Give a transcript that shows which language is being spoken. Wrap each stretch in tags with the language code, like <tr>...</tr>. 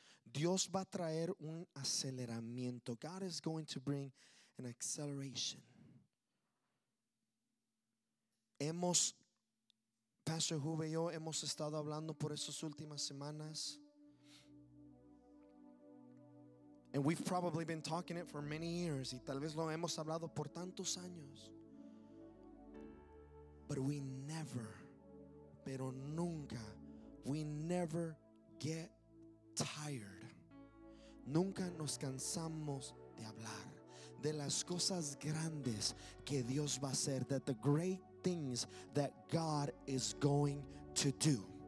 <es>Dios va a traer un aceleramiento.</es> <en>God is going to bring an acceleration.</en> <es>Hemos, Pastor Juve y yo, hemos estado hablando por estas últimas semanas.</es> <en>And we've probably been talking it for many years.</en> <es>Y tal vez lo hemos hablado por tantos años.</es> <en>But we never,</en> <es>pero nunca,</es> <en>we never get tired.</en> <es>Nunca nos cansamos de hablar de las cosas grandes que Dios va a hacer,</es> <en>that the great things that God is going to do.</en>